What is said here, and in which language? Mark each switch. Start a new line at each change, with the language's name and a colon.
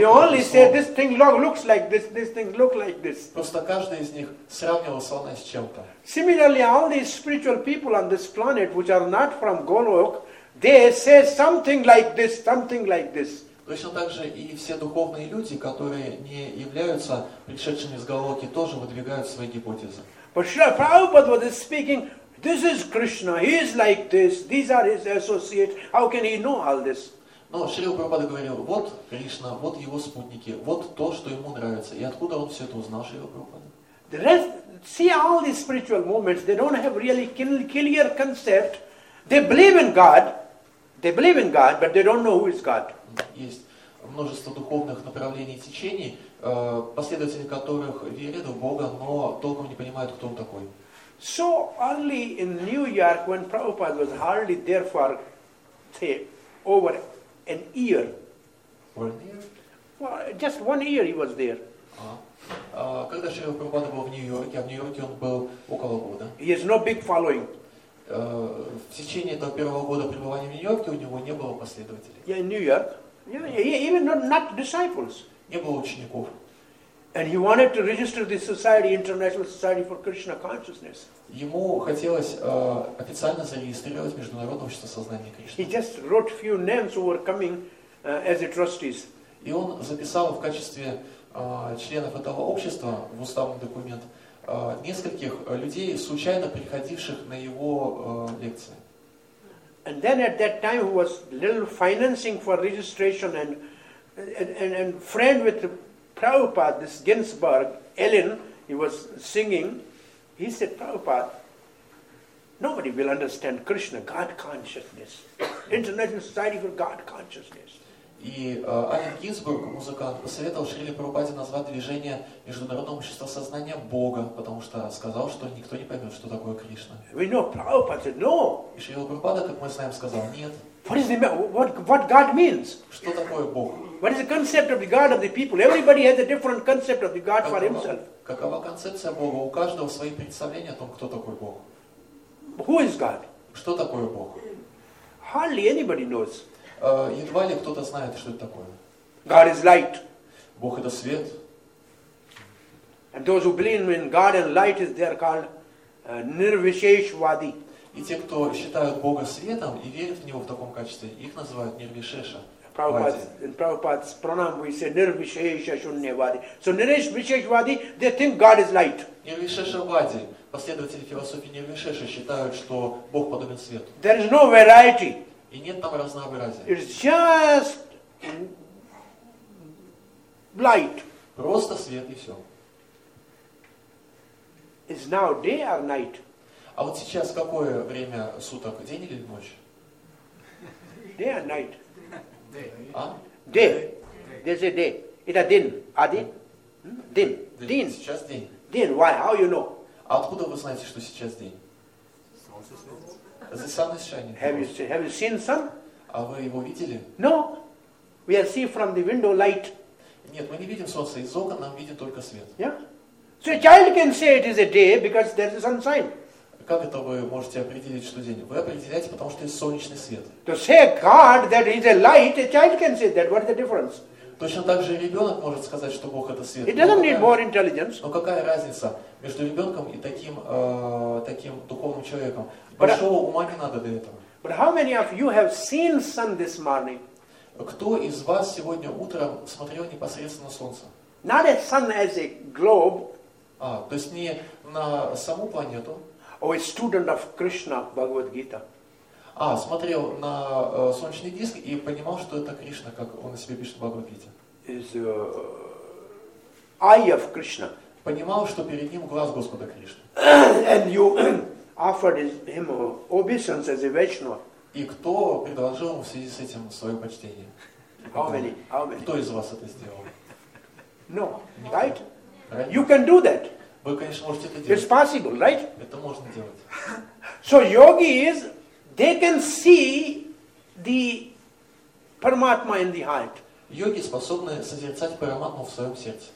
English: They only said this thing looks like this, this thing look like this.
Russian: Просто каждый из них сравнивал слона с чем-то.
English: Similarly, all these spiritual people on this planet, which are not from Golok. They say something like this, something like this.
Russian: Точно так же и все духовные люди, которые не являются пришедшими из Голоки, тоже выдвигают свои гипотезы.
English: But Srila Prabhupada was speaking, this is Krishna, he is like this, these are his associates, how can he know all this?
Russian: Но Шрила Прабхупада говорил, вот Кришна, вот его спутники, вот то, что ему нравится. И откуда он все это узнал, Шрила Прабхупада?
English: The rest, see all these spiritual movements, they don't have really clear concept. They believe in God. They believe in God, but they don't know who is God.
Russian: Есть множество духовных направлений и течений, последователи которых верят в Бога, но толком не понимают, кто он такой.
English: So only in New York, when Prabhupada was hardly there for, say, over an year. For an year? Well, just one year he was there.
Russian: Когда Шрила Прабхупада был в Нью-Йорке, а в Нью-Йорке он был около года.
English: He has no big following.
Russian: В течение этого первого года пребывания в Нью-Йорке у него не было последователей.
English: Yeah, in New York. Yeah, even not disciples.
Russian: Не было учеников.
English: And he wanted to register the society, International Society for Krishna Consciousness.
Russian: Ему хотелось официально зарегистрировать Международное общество сознания Кришны.
English: He just wrote few names who were coming as a trustees.
Russian: И он записал в качестве членов этого общества в уставный документ нескольких людей, случайно приходивших на его лекции.
English: And then at that time he was little financing for registration and friend with Prabhupada, this Ginsberg, Ellen, he was singing. He said, Prabhupada, nobody will understand Krishna, God consciousness. International Society for God Consciousness.
Russian: И Аллен Гинсбург, музыкант, посоветовал Шриле Прабхупаде назвать движение Международного общества сознания Бога, потому что сказал, что никто не поймет, что такое Кришна.
English: We know, Prabhupada said, no.
Russian: И Шрила Прабхупада, как мы знаем, сказал, нет.
English: What is the, what God means?
Russian: Что такое Бог?
English: What is the concept of the God of the people? Everybody has a different concept of the God for himself.
Russian: Какова концепция Бога? У каждого свои представления о том, кто такой Бог.
English: Who is God?
Russian: Что такое Бог?
English: Hardly anybody knows.
Russian: Едва ли кто-то знает, что это такое.
English: God is light.
Russian: Бог это свет.
English: And those who believe in God and light is they are called nirvisheshvadi.
Russian: И те, кто считают Бога светом и верят в него в таком качестве, их называют нирвишеша.
English: Prabhupada's pranam, we say nirvishesha shunyavadi. So nirvisheshavadi, they think God is light.
Russian: Nirvisheshavadi, последователи философии нирвишеша считают, что Бог подобен свету.
English: There is no variety.
Russian: И нет там разнообразия.
English: It's just light.
Russian: Просто свет и все.
English: Is now day or night?
Russian: А вот сейчас какое время суток, день или ночь?
English: Day or night? Day.
Russian: А?
English: Day. They say day.
Russian: Это день. А день? День. День. Сейчас день. День.
English: Why? How you know?
Russian: А откуда вы знаете, что сейчас день?
English: The sun is shining. Have you seen sun?
Russian: А вы его видели?
English: No. We are see from the window light.
Russian: Нет, мы не видим солнце из окон, нам видит только свет.
English: Yeah. So a child can say it is a day because there is a sunshine.
Russian: Как это вы можете определить, что день? Вы определяете, потому что есть солнечный свет.
English: To say God that is a light, a child can say that. What is the difference?
Russian: Точно так же ребенок может сказать, что Бог это свет.
English: It doesn't need more intelligence.
Russian: Но какая разница между ребенком и таким духовным человеком? Большого ума не надо для этого.
English: But how many of you have seen sun this morning?
Russian: Кто из вас сегодня утром смотрел непосредственно солнце?
English: Not a sun as a globe.
Russian: А, то есть не на саму планету.
English: Or a student of Krishna, Bhagavad Gita.
Russian: А, смотрел на солнечный диск и понимал, что это Кришна, как он о себе пишет в Бхагавад Гите.
English: Is eye of Krishna.
Russian: Понимал, что перед ним глаз Господа Кришны.
English: And you offered him obeisance as a Vaishnava.
Russian: И кто предложил ему в связи с этим свое почтение?
English: How many?
Russian: Кто из вас это сделал?
English: No, right? You can do that.
Russian: Вы, конечно, можете это делать.
English: It's possible, right?
Russian: Это можно делать.
English: So yogi is, they can see the Paramatma in the heart.
Russian: Йоги способны созерцать Параматму в своем сердце.